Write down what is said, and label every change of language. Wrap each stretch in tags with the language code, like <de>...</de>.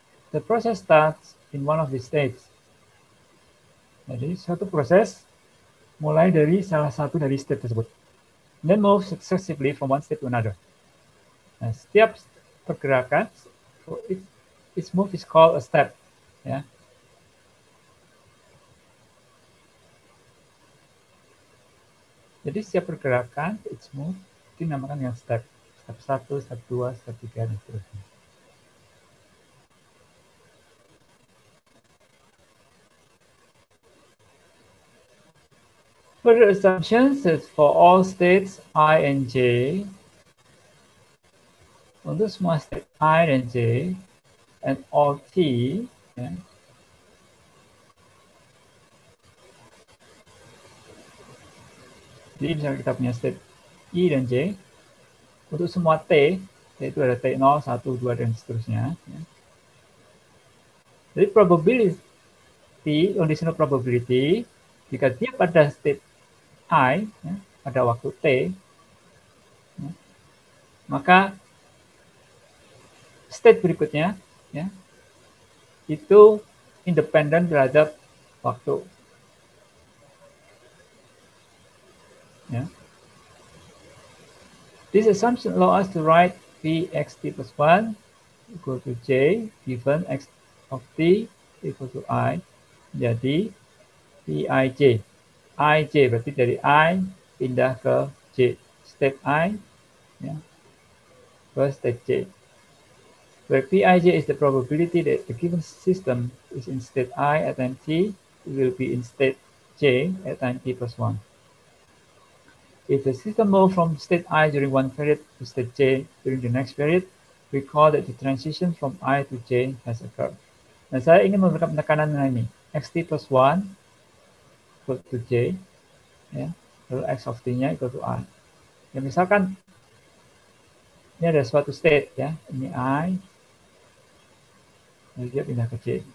<en>The process starts in one of these states.</en> <id>Jadi, suatu proses mulai dari salah satu dari state tersebut. Then move successively from one state to another. Nah, setiap pergerakan,</id> <en>so its move is called a step. Yeah.</en> <id>Jadi setiap pergerakan,</id> <en>its move,</en> <id>dinamakan dengan step. Step 1, step 2, step 3, dan seterusnya.</id> <en>Further assumptions is for all states I and J.</en> <id>Untuk semua state I dan J,</id> <en>and all T, yeah.</en> <id>Jadi misalnya kita punya state I dan J, untuk semua T, yaitu ada T0, 1, 2, dan seterusnya. Yeah. Jadi probability, conditional probability, jika dia pada state I, ya, pada waktu T, ya, maka state berikutnya, ya, itu independen terhadap waktu. Ya.</id> <en>This assumption allow us to write V x t plus 1 equal to J given x of t equal to I,</en> <id>jadi V I J. I, J, berarti dari I pindah ke J. Step I, ya, ke step J.</id> <en>Where P, I, J is the probability that the given system is in state I at time T, it will be in state J at time T plus 1. If the system moves from state I during one period to state J during the next period, we call that the transition from I to J has occurred.</en> <id>Nah, saya ingin memberikan penekanan dengan ini. X, T plus 1,</id> <en>equal to J,</en> <id>ya, lalu</id> <en>X of T-nya equal to I.</en> <id>Ya, misalkan ini ada suatu state, ya, ini I, lalu dia pindah ke J.</id>